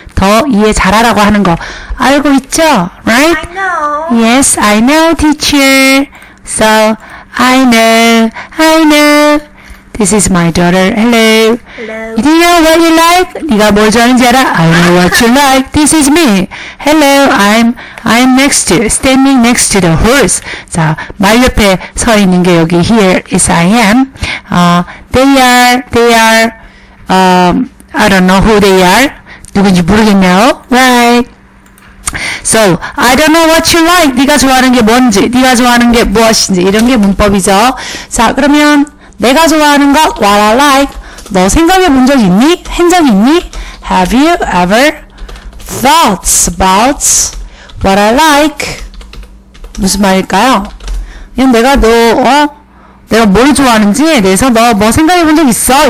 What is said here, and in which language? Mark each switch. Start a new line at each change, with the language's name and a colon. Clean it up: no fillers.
Korean: 더 이해 잘하라고 하는 거 알고 있죠?
English: Right? I know. Yes, I know, teacher. So, I know, I know. This is my daughter. Hello. Hello. Do you know what you like?
Korean: 네가 뭘 좋아하는지 알아?
English: I know what you like. This is me. Hello, I'm next to, standing next to the horse.
Korean: 자, 말 옆에 서 있는 게 여기
English: here is I am. They are, I don't know who they are.
Korean: 누군지 모르겠네요.
English: Right. So, I don't know what you like.
Korean: 네가 좋아하는 게 뭔지, 네가 좋아하는 게 무엇인지, 이런 게 문법이죠. 자, 그러면, 내가 좋아하는 거,
English: what I like.
Korean: 너 생각해 본 적 있니? 한 적 있니?
English: Have you ever thought about what I like?
Korean: 무슨 말일까요? 이건 내가 너, 어? 내가 뭘 좋아하는지, 내서 너 뭐 생각해 본 적 있어?